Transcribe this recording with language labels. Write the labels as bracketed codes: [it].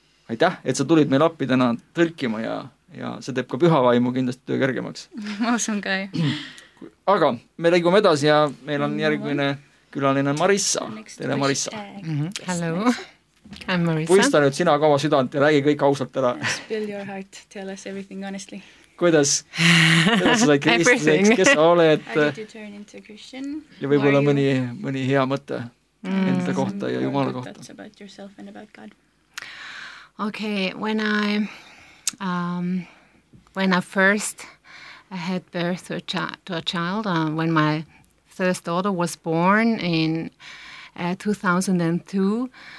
[et] Aitäh, et sa tulid meil appi täna tõlkima ja see teeb ka pühavaimu kindlasti töö kergemaks. Ma usun ka. Aga me läigume edasi ja meil on järgmine külaline Marissa. Tere Marissa. [en] Mm-hmm. Hello. I'm Marissa. [et] Puista nüüd sina kava südant ja räägi kõik ausalt ära. [en] Spill your heart. Tell us everything honestly. [et] Kuidas sa kristlaseks, kes sa oled? [en] How did you turn into Christian? [et] Ja võibolla mõni hea mõte enda kohta ja Jumala kohta. [en] That's about yourself and about God. Okay, when I first had birth to a child, when my first daughter was born in 2002.